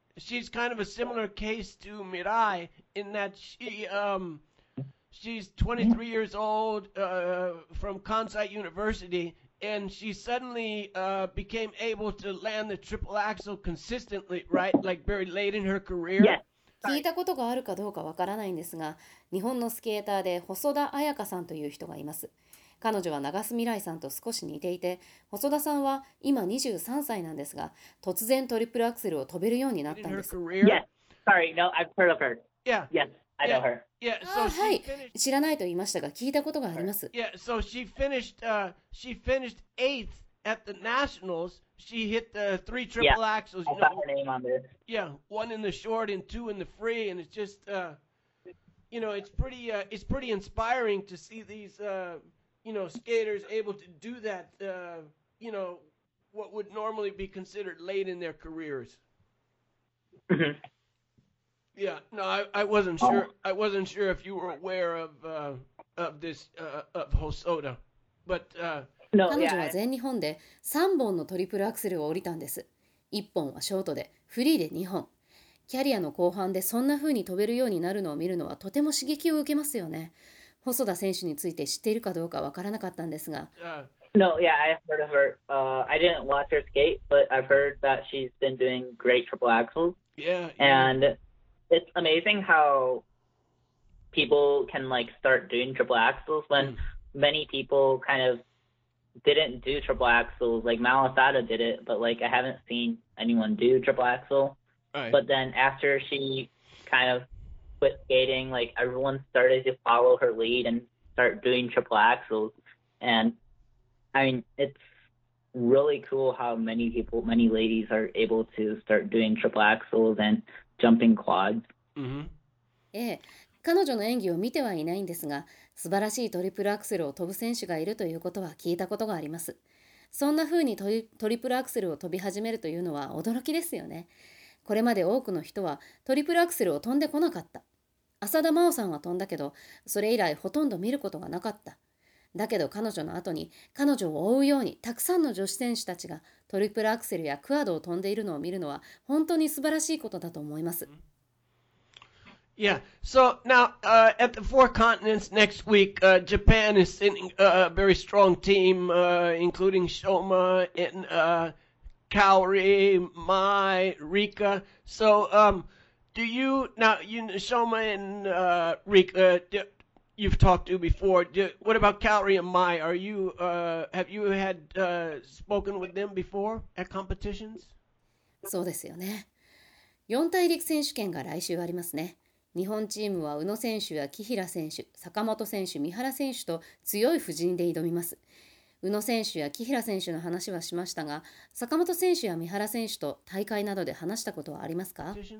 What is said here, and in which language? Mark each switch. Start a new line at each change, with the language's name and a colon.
English: She's kind of a similar case to Mirai in that she's 23 years old, from Kansai University, and she suddenly became able to land the triple axel consistently, right? Like very late in her career. Yes.
Japanese: 聞いたことがあるかどうかわからないんですが、日本のスケーターで細田彩香さんという人がいます。彼女は長須未来さんと少し似ていて、細田さんは今23歳なんですが、突然トリプルアクセルを飛べるようになったんです。
English: Yes. Sorry, no, I've heard of her. Yeah. Yes. I know her. Yeah, so
Japanese: はい、知らないと言いましたが、聞いたことがあります。
English: Yeah, so she finished eighth at the nationals. She hit the three triple yeah, axles. I saw her name on this. Yeah, one in the short and two in the free, and it's just, you know, it's pretty inspiring to see these, you know, skaters able to do that. You know, what would normally be considered late in their careers. Yeah, no, I wasn't sure if you were aware of this of Hosoda. But no,
Japanese: 彼女は全日本で3本のトリプルアクセルを降りたんです。 1本はショートで、フリーで2本。キャリアの後半でそんな風に飛べるようになるのを見るのはとても刺激を受けますよね。細田選手について知っているかどうかわからなかったんですが。
English: No, yeah, I heard of her. I didn't watch her skate, but I've heard that she's been doing great triple axels. Yeah, and it's amazing how people can like start doing triple axels when many people kind of didn't do triple axels. Like Mao Asada did it, but like I haven't seen anyone do triple axel. Right. But then after she kind of quit skating, like everyone started to follow her lead and start doing triple axels. And I mean, it's really cool how many people, many ladies are able to start doing triple axels and jumping quads.
Japanese: ええ、彼女の演技を見てはいないんですが、素晴らしいトリプルアクセルを飛ぶ選手がいるということは聞いたことがあります。そんな風にトリプルアクセルを飛び始めるというのは驚きですよね。これまで多くの人はトリプルアクセルを飛んでこなかった。浅田真央さんは飛んだけど、それ以来ほとんど見ることがなかった。だけど彼女の後に、彼女を追うようにたくさんの女子選手たちがトリプルアクセルやクワードを飛んでいるのを見るのは本当に素晴らしいことだと思います。
English: Yeah, so now at the four continents next week, Japan is sending a very strong team, including Shoma and Kaori, Mai, Rika. So do you, now you, Shoma and Rika, you've talked to before. What about Kaori and Mai? Are you, have you had spoken with them before at competitions?
Japanese: そうですよね。四大陸選手権が来週ありますね。日本チームは宇野選手や紀平選手、坂本選手、三原選手と強い布陣で挑みます。宇野選手や紀平選手の話はしましたが、坂本選手や三原選手と大会などで話したことはありますか？